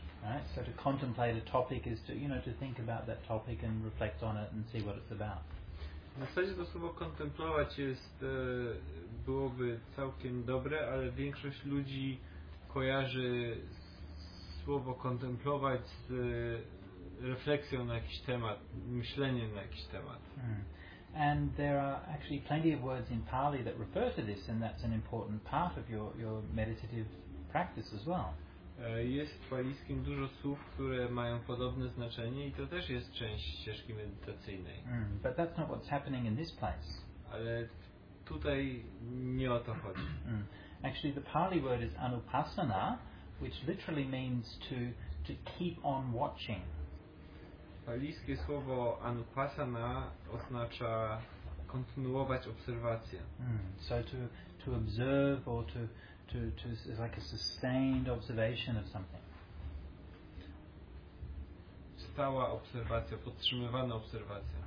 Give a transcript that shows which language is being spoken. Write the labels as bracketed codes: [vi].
[en] Right, so to contemplate a topic is to, you know, to think about that topic and reflect on it and see what it's about. [pl] W zasadzie to słowo kontemplować jest, byłoby całkiem dobre, ale większość ludzi kojarzy słowo kontemplować z refleksją na jakiś temat, myśleniem na jakiś temat. Mm. [en] And there are actually plenty of words in Pali that refer to this, and that's an important part of your meditative practice as well. [pl] Jest w walijskim dużo słów, które mają podobne znaczenie i to też jest część ścieżki medytacyjnej. [en] Mm, but that's not what's happening in this place. [pl] Ale tutaj nie o to chodzi. Mm. [en] Actually the Pali word is anupasana, which literally means to keep on watching. [pl] Walijskie słowo anupasana oznacza kontynuować obserwację. Mm. [en] So to observe or to is like a sustained observation of something. [pl] Stała obserwacja, podtrzymywana obserwacja.